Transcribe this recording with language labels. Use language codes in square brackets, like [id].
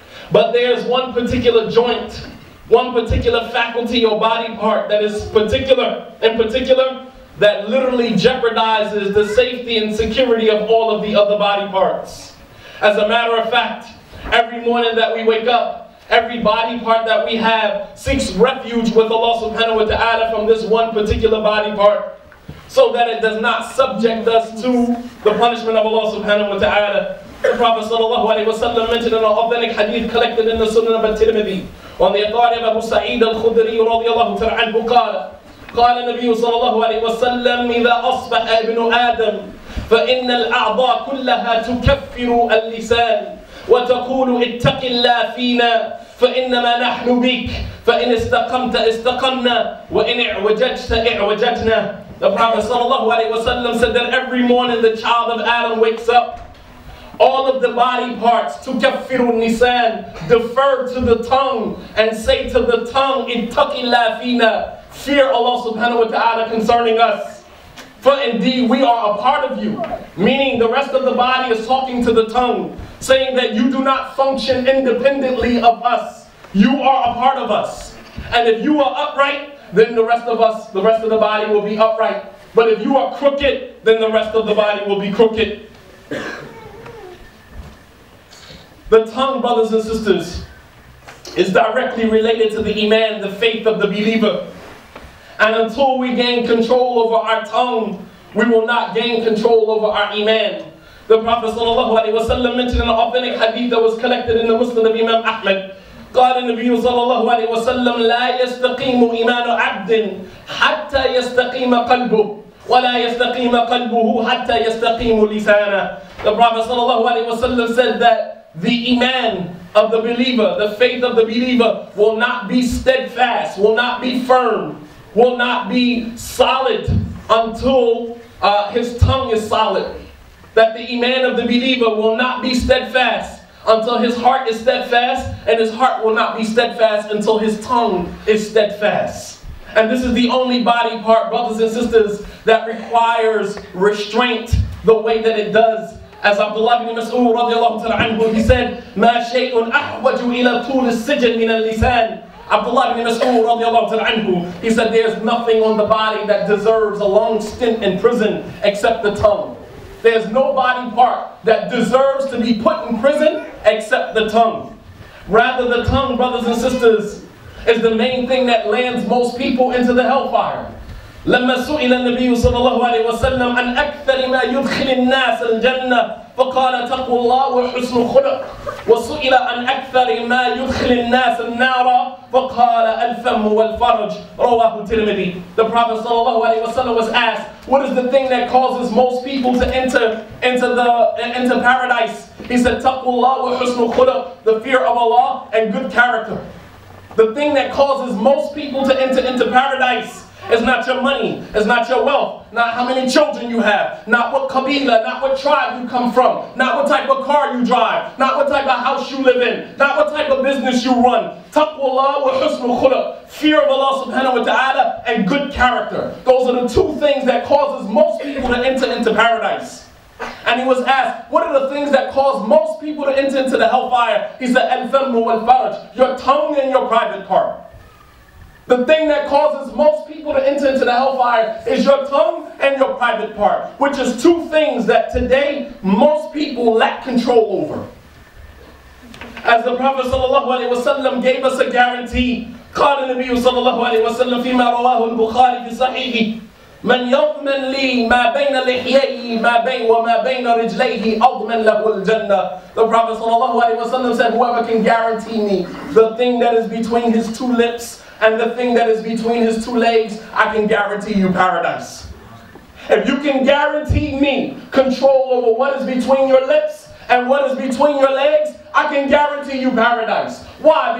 [en] But there's one particular joint, one particular faculty or body part that is particular, in particular, that literally jeopardizes the safety and security of all of the other body parts. As a matter of fact, every morning that we wake up, every body part that we have seeks refuge with Allah subhanahu wa ta'ala from this one particular body part, so that it does not subject us to the punishment of Allah subhanahu wa ta'ala. The Prophet sallallahu alaihi wasallam mentioned in an authentic hadith collected in the Sunan of Tirmidhi, on the authority of Abu Sa'id al-Khudri radiallahu ta'ala anhu, [ar] قال النبي صلى الله عليه وسلم إذا أصبح ابن آدم فإن الأعضاء كلها تكفر اللسان وتقول اتق الله فينا فإنما نحن بك فإن استقمت استقمنا وإن اعوججت اعوججنا. [en] The Prophet [ar] صلى الله عليه وسلم [en] said that every morning the child of Adam wakes up, all of the body parts, [ar] تكفر النسان, [en] defer to the tongue and say to the tongue [ar] اتق الله فينا, [en] fear Allah subhanahu wa ta'ala concerning us. For indeed we are a part of you. Meaning the rest of the body is talking to the tongue, saying that you do not function independently of us. You are a part of us. And if you are upright, then the rest of us, the rest of the body will be upright. But if you are crooked, then the rest of the body will be crooked. The tongue, brothers and sisters, is directly related to the iman, the faith of the believer. And until we gain control over our tongue, we will not gain control over our iman. The Prophet sallallahu alaihi wasallam mentioned in an authentic hadith that was collected in the Muslim of Imam Ahmad. [ar] قال النبي صلى الله عليه وسلم لا يستقيم إيمان عبد حتى يستقيم قلبه ولا يستقيم قلبه حتى يستقيم لسانه. [en] The Prophet sallallahu alaihi wasallam said that the iman of the believer, the faith of the believer, will not be steadfast, will not be firm, will not be solid until his tongue is solid. That the iman of the believer will not be steadfast until his heart is steadfast, and his heart will not be steadfast until his tongue is steadfast. And this is the only body part, brothers and sisters, that requires restraint the way that it does. As Abdullah ibn Mas'ud radiallahu ta'ala anhu, he said, [ar] ما شيء أحوج إلى طول السجن من اللسان. [en] Abdullah ibn Mas'ud radiallahu ta'ala anhu, he said, there's nothing on the body that deserves a long stint in prison except the tongue. There's no body part that deserves to be put in prison except the tongue. Rather, the tongue, brothers and sisters, is the main thing that lands most people into the hellfire. [ar] لما سئل النبي صلى الله عليه وسلم عن أكثر ما يدخل الناس الجنة فقال تقوى الله وحسن خلق وسئل عن أكثر ما يدخل الناس النار فقال الفم والفرج رواه الترمذي. [en] The Prophet [ar] صلى الله عليه وسلم [en] was asked, what is the thing that causes most people to enter into paradise? He said [ar] تقوى الله وحسن خلق, [en] the fear of Allah and good character. The thing that causes most people to enter into paradise, it's not your money, it's not your wealth, not how many children you have, not what qabila, not what tribe you come from, not what type of car you drive, not what type of house you live in, not what type of business you run. [ar] Taqwallah wa husnul khuluq, [en] fear of Allah subhanahu wa ta'ala and good character. Those are the two things that causes most people to enter into paradise. And he was asked, what are the things that cause most people to enter into the hellfire? He said, [ar] al-famu wal-faraj, [en] your tongue and your private part. The thing that causes most people to enter into the hellfire is your tongue and your private part, which is two things that today most people lack control over. As the Prophet sallallahu alaihi wasallam gave us a guarantee, [ar] قال النبي صلى الله عليه وسلم فيما رواه البخاري في صحيحه من يضمن لي ما بين لحييه ما بين وما بين رجليه أضمن له الجنة. [en] The Prophet sallallahu alaihi wasallam said, whoever can guarantee me the thing that is between his two lips and the thing that is between his two legs, I can guarantee you paradise. If you can guarantee me control over what is between your lips and what is between your legs, I can guarantee you paradise. Why?